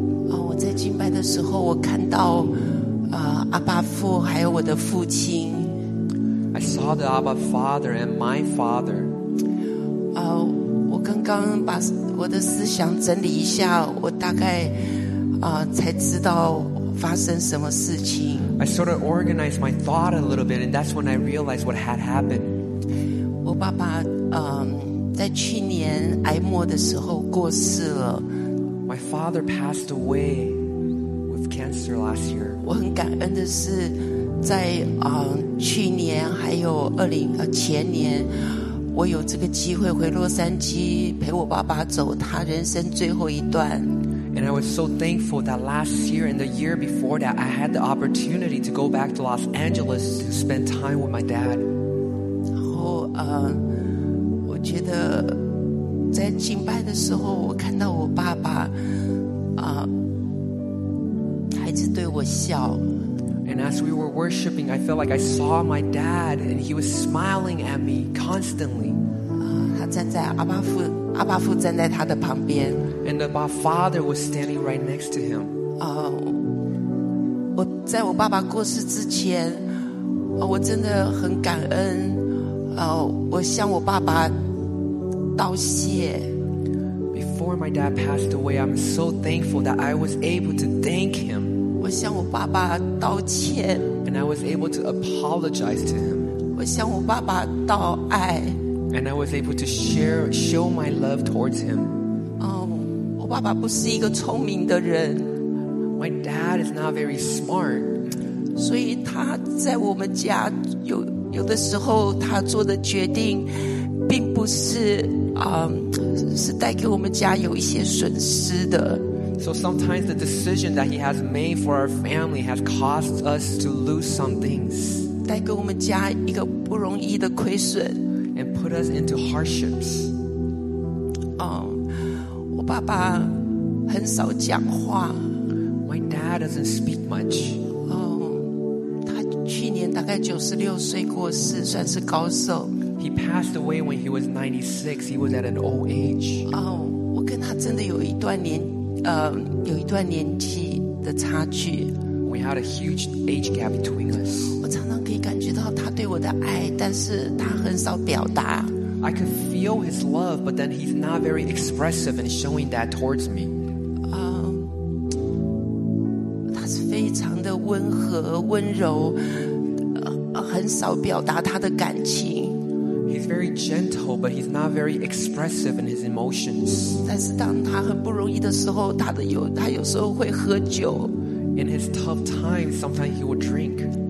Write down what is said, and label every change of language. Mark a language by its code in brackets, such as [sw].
[zh] 我在敬拜的时候我看到阿爸父还有我的父亲 [en] I saw the Abba Father and my father [zh] 我刚刚把我的思想整理一下我大概才知道发生什么事情 [en] I sort of organized my thought a little bit and that's when I realized what had happened [zh] 我爸爸在去年癌末的时候过世了 [en] My father passed away with cancer last year [zh] 我很感恩的是在去年还有前年我有这个机会回洛杉矶陪我爸爸走他人生最后一段 [en] And I was so thankful that last year and the year before that I had the opportunity to go back to Los Angeles to spend time with my dad [zh] 然后我觉得在敬拜的时候我看到我爸爸孩子对我笑 [en] And as we were worshiping I felt like I saw my dad and he was smiling at me constantly And the Abba Father was standing right next to him. [zh] 我在我爸爸过世之前，我真的很感恩。我向我爸爸道谢。 [en] Before my dad passed away, I'm so thankful that I was able to thank him. [zh] 我向我爸爸道歉。 [en] And I was able to apologize to him. [zh] 我向我爸爸道爱。 [en] And I was able to show my love towards him. [zh] 我爸爸不是一个聪明的人。 [en] My dad is not very smart. [zh] 所以他在我们家有的时候他做的决定并不是是带给我们家有一些损失的。 [en] So sometimes the decision that he has made for our family has caused us to lose some things. [zh] 带给我们家一个不容易的亏损。 [en] And put us into hardships. [zh] 我爸爸很少讲话。 [en] My dad doesn't speak much. [zh] 他去年大概96岁过世，算是高寿。 [en] He passed away when he was 96. He was at an old age. [zh] 我跟他真的有一段年纪的差距。 [en] We had a huge age gap between us. [zh] 我常常可以感觉到他对我的爱，但是他很少表达。 [en] I could feel his love, but then he's not very expressive in showing that towards me. [zh] 他是非常的温和温柔，很少表达他的感情。 [en] He's very gentle, but he's not very expressive in his emotions. [zh] 但是当他很不容易的时候，他有时候会喝酒。 [en] In his tough times, sometimes he would drink.